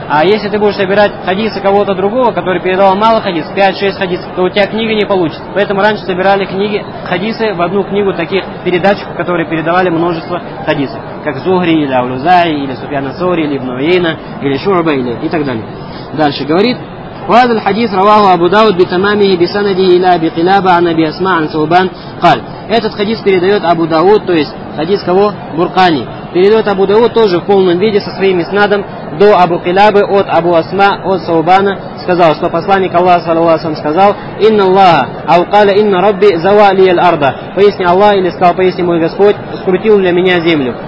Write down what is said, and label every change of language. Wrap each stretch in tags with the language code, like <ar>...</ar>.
<ru>А если ты будешь собирать хадисы кого-то другого, который передавал мало хадисов, 5-6 хадисов, то у тебя книга не получится. Поэтому раньше собирали книги, хадисы в одну книгу таких передатчиков, которые передавали множество хадисов. Как Зугри, или Аулюзай, или Суфьяна саури, или Ибн Уйейна, или шурба, или и так далее. Дальше говорит,</ru> <ar>وهذا الحديث رواه أبو داود بتمامه بسنده إلى أبي قلابة عن أبي أسماء عن ثوبان قال.</ar> <ru>Этот хадис передает Абу Дауд, то есть хадис кого? Буркани. Передает Абу Дауд тоже в полном виде со своим иснадом до Абу Килабы от Абу Асма, от Саубана, сказал, что посланник Аллаха, саллаллаху алейхи ва саллям, сказал,</ru> <ar>«Инна Аллаха, аукаля инна Рабби зава лия л-арда».</ar> <ru>Поясни Аллах, или сказал, поясни мой Господь, скрутил для меня землю.</ru>